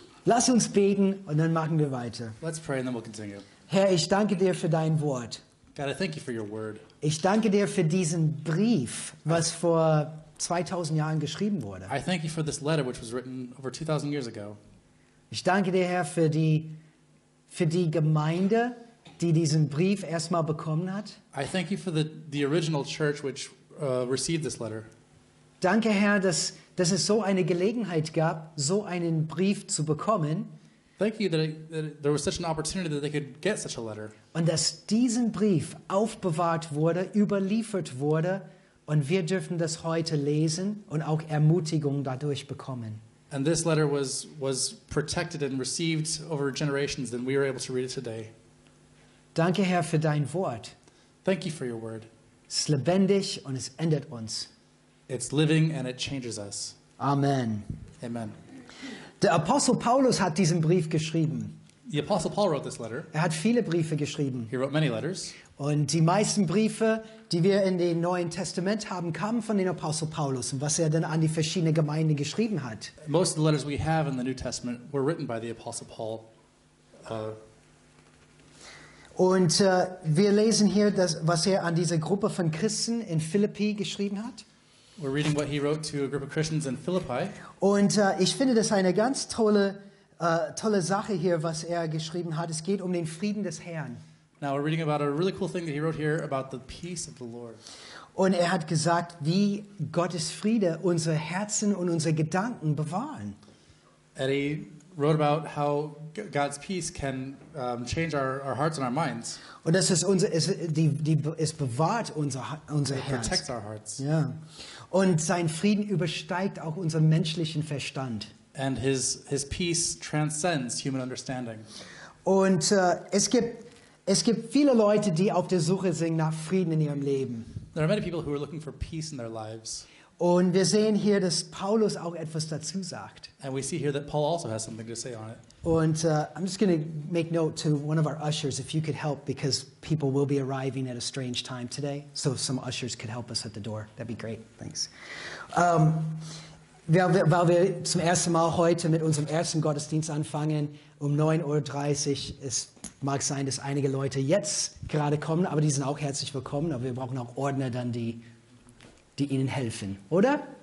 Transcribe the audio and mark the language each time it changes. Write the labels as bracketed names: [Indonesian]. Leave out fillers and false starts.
[German] Lass uns beten und dann machen wir weiter. [English] Let's pray and then we'll continue. [German] Herr, ich danke dir für dein Wort. [English] God, I thank you for your word. [German] Ich danke dir für diesen Brief, was vor 2000 Jahren geschrieben wurde. [English] I thank you for this letter, which was written over 2000 years ago. [German] Ich danke dir, Herr, für die Gemeinde, die diesen Brief erstmal bekommen hat. [English] I thank you for the original church, which received this letter. [German] Danke, Herr, dass es so eine Gelegenheit gab, so einen Brief zu bekommen. [English] Thank you that there was such an opportunity that they could get such a letter. [German] Und dass diesen Brief aufbewahrt wurde, überliefert wurde, und wir dürfen das heute lesen und auch Ermutigung dadurch bekommen. [English] And this letter was protected and received over generations, and we were able to read it today. [German] Danke, Herr, für dein Wort. [English] Thank you for your word. [German] Es ist lebendig und es ändert uns. [English] It's living and it changes us. [German] Amen. [English] Amen. [German] Der Apostel Paulus hat diesen Brief geschrieben. [English] The Apostle Paul wrote this letter. [German] Er hat viele Briefe geschrieben. [English] He wrote many letters. [German] Und die meisten Briefe, die wir in dem Neuen Testament haben, kamen von dem Apostel Paulus und was er dann an die verschiedenen Gemeinden geschrieben hat. [English] Most of the letters we have in the New Testament were written by the Apostle Paul. [German] Und wir lesen hier, das, was er an diese Gruppe von Christen in Philippi geschrieben hat. [English] We're reading what he wrote to a group of Christians in Philippi. [German] Und ich finde das eine ganz tolle Sache hier, was er geschrieben hat. Es geht um den Frieden des Herrn. [English] Now we're reading about a really cool thing that he wrote here about the peace of the Lord. [German] Und er hat gesagt, wie Gottes Friede unsere Herzen und unsere Gedanken bewahren. [English] And he wrote about how God's peace can change our hearts and our minds. [German] Und das ist es bewahrt unser Herz. [English] It protects our hearts. [German] Ja. Und sein Frieden übersteigt auch unseren menschlichen Verstand. [English] And his peace transcends human understanding. [German] Und es gibt viele Leute, die auf der Suche sind nach Frieden in ihrem Leben. [English] There are many people who are looking for peace in their lives. [German] Und wir sehen hier, dass Paulus auch etwas dazu sagt. [English] And we see here that Paul also has something to say on it. Und I'm just going to make note to one of our ushers, if you could help, because people will be arriving at a strange time today. So if some ushers could help us at the door, that'd be great. Thanks. [German] Weil wir zum ersten Mal heute mit unserem ersten Gottesdienst anfangen, um 9.30 Uhr, es mag sein, dass einige Leute jetzt gerade kommen, aber die sind auch herzlich willkommen, aber wir brauchen auch Ordner dann, die ihnen helfen, oder?